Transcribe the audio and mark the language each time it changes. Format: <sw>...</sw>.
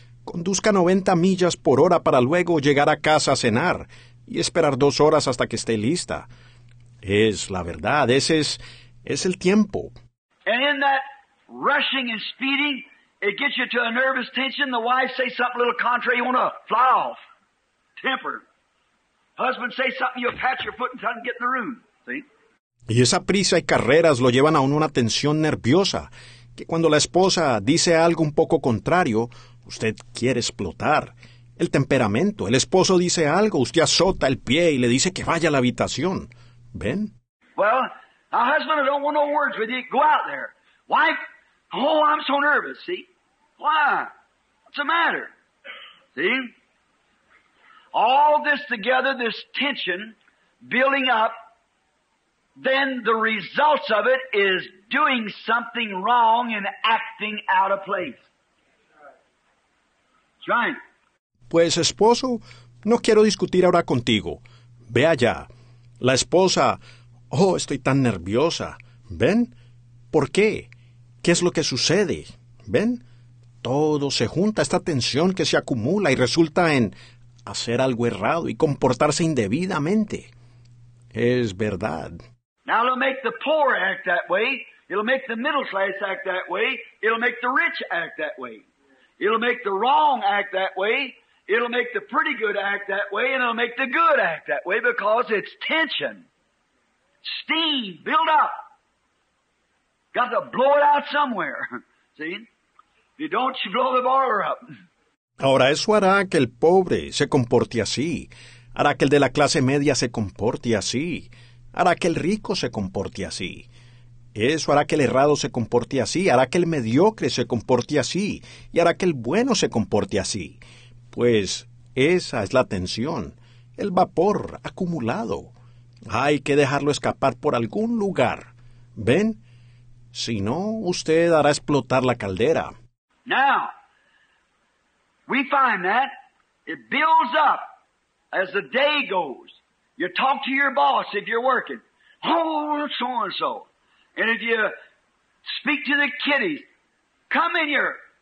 <es>Conduzca 90 millas por hora para luego llegar a casa a cenar y esperar 2 horas hasta que esté lista. Es la verdad, ese es el tiempo.</es> <en>And in that rushing and speeding, it gets you to a nervous tension. The wife says something a little contrary, you want to fly off. Temper. Husband says something, you pat your foot and try to get in the room.</en> <es>Y esa prisa y carreras lo llevan a uno una tensión nerviosa, que cuando la esposa dice algo un poco contrario, usted quiere explotar. El temperamento, el esposo dice algo, usted azota el pie y le dice que vaya a la habitación. ¿Ven?</es> <en>Well, my husband, I don't want no words with you. Go out there. Wife, oh, I'm so nervous, see? Why? What's the matter? See? All this together, this tension building up, then the results of it is doing something wrong and acting out of place. Right.</en> <es>Pues esposo, no quiero discutir ahora contigo. Ve allá. La esposa, oh, estoy tan nerviosa. ¿Ven? ¿Por qué? ¿Qué es lo que sucede? ¿Ven? Todo se junta, esta tensión que se acumula y resulta en hacer algo errado y comportarse indebidamente. Es verdad.</es> <en>Now it'll make the poor act that way. It'll make the middle class act that way. It'll make the rich act that way. It'll make the wrong act that way. It'll make the pretty good act that way, and it'll make the good act that way, because it's tension. Steam, build up. Got to blow it out somewhere. See? If you don't, you blow the boiler up.</en> <es>Ahora, eso hará que el pobre se comporte así. Hará que el de la clase media se comporte así. Hará que el rico se comporte así. Eso hará que el errado se comporte así. Hará que el mediocre se comporte así. Y hará que el bueno se comporte así. Pues esa es la tensión, el vapor acumulado. Hay que dejarlo escapar por algún lugar. ¿Ven? Si no, usted hará explotar la caldera.</es> <en>Now, we find that it builds up as the day goes. You talk to your boss if you're working. Oh, so and so. And if you speak to the kiddies, come in here.</en>